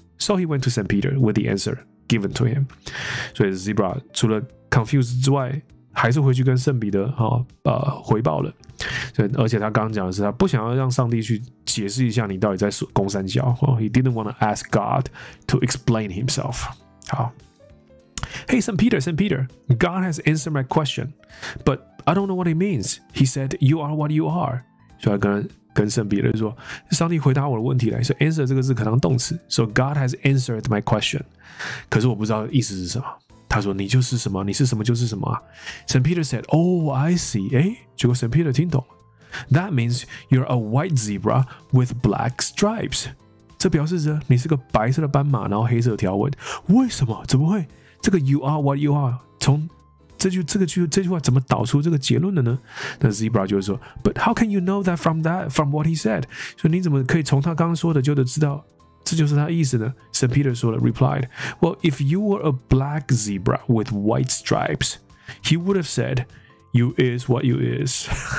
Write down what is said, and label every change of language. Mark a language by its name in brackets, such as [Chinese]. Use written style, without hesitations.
[English] So he went to St. Peter with the answer given to him. [Chinese] 所以 zebra 除了 confused 之外，还是回去跟圣彼得、哦回报了。所以而且他刚刚讲的是他不想要让上帝去解释一下你到底在攻三角、哦、 [English] He didn't want to ask God to explain himself. 好 Hey, St. Peter, God has answered my question, but I don't know what it means. He said, you are what you are. [Chinese] 所以跟圣彼得说上帝回答我的问题了。所以 answer 这个字可能动词。 [English] So God has answered my question. [Chinese] 可是我不知道意思是什么。他说你就是什么你是什么就是什么、啊。 [English] St. Peter said, oh, I see. [Chinese] 诶结果 St. Peter 听懂。 [English] That means you're a white zebra with black stripes. [Chinese] 这表示着你是个白色的斑马然后黑色的条纹。为什么怎么会这个 [English] you are what you are, [Chinese] 从这句话怎么导出这个结论的呢？那 Zebra 就是说 [English] But how can you know that from what he said? [Chinese] 所以你怎么可以从他刚刚说的就得知道这就是他意思呢？ [English] St. Peter [Chinese] 说了 [English] replied, Well, if you were a black zebra with white stripes, he would have said, You is what you is.